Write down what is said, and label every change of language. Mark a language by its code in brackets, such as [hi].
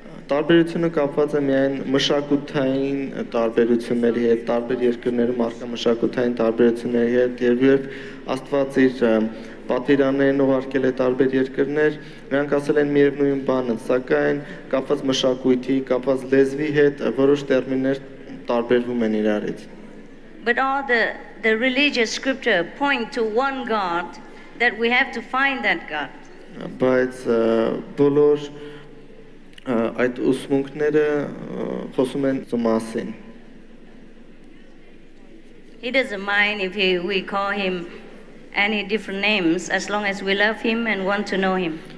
[hy] տարբերությունը կապված է միայն մշակութային տարբերությունների հետ, տարբեր երկրներում մշակութային տարբերությունների հետ, եւ երբ Աստված իր պատվիրաններն ուղարկել է տարբեր երկրներ, նրանք ասել են միևնույն բանը, սակայն կապված մշակույթի, կապված լեզվի հետ որոշ տերմիններ տարբերվում են իրարից. [en] But all the religious scripture point to one God, that we have to find that God. [hy] Բայց բոլոր այդ ուսմունքները խոսում են մասին. [en] He doesn't mind if we call him any different names as long as we love him and want to know him.